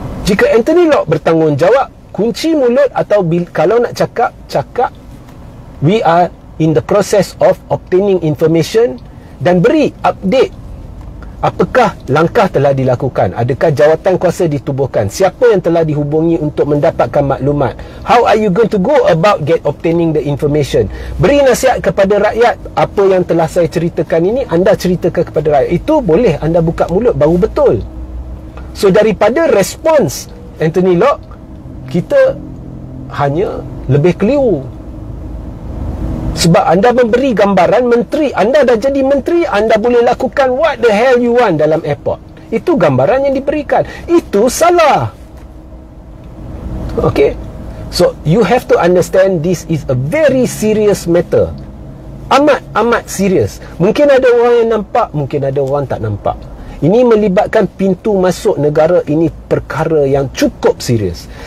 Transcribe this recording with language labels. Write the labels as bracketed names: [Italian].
[Malay] Jika Anthony Locke bertanggungjawab, kunci mulut atau kalau nak cakap, cakap, [English] we are in the process of obtaining information [Malay] dan beri update. Apakah langkah telah dilakukan? Adakah jawatan kuasa ditubuhkan? Siapa yang telah dihubungi untuk mendapatkan maklumat? [English] How are you going to go about get obtaining the information? [Malay] Beri nasihat kepada rakyat. Apa yang telah saya ceritakan ini, anda ceritakan kepada rakyat. Itu boleh anda buka mulut baru betul. So daripada respons Anthony Locke, kita hanya lebih keliru. Sebab anda memberi gambaran menteri, anda dah jadi menteri, anda boleh lakukan [English] what the hell you want [Malay] dalam airport. Itu gambaran yang diberikan. Itu salah. [English] Okay, so you have to understand this is a very serious matter. [Malay] Amat, amat serious. Mungkin ada orang yang nampak, mungkin ada orang tak nampak. Ini melibatkan pintu masuk negara, ini perkara yang cukup serius.